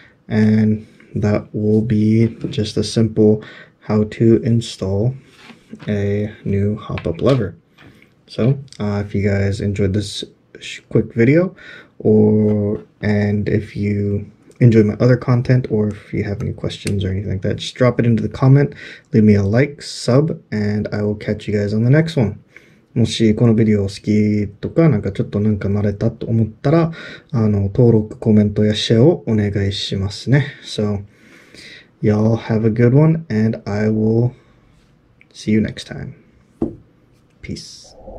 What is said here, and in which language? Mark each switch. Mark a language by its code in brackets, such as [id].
[en] And that will be just a simple how to install a new hop-up lever. So, if you guys enjoyed this quick video,and if you enjoy my other content, or if you have any questions or anything like that, just drop it into the comment, leave me a like, sub, and I will catch you guys on the next one. [ja] もしこのビデオ好きとか、なんかちょっとなんか慣れたと思ったら、登録、コメントやシェアをお願いしますね。 [en] So, y'all have a good one, and I will see you next time. Peace.